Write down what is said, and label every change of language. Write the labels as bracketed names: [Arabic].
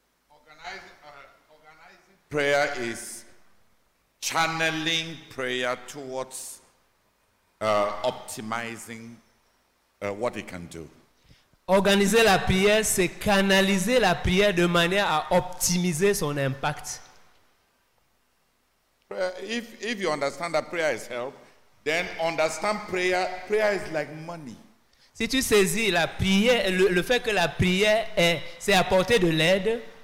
[English] Organizing prayer is channeling prayer towards optimizing what it can do. [French] Organiser la prière, c'est canaliser la prière de manière à optimiser son impact. [English] If you understand that prayer is help, then understand prayer is like money. [French] Si tu saisis la prière, le fait que la prière est, c'est apporter de l'aide.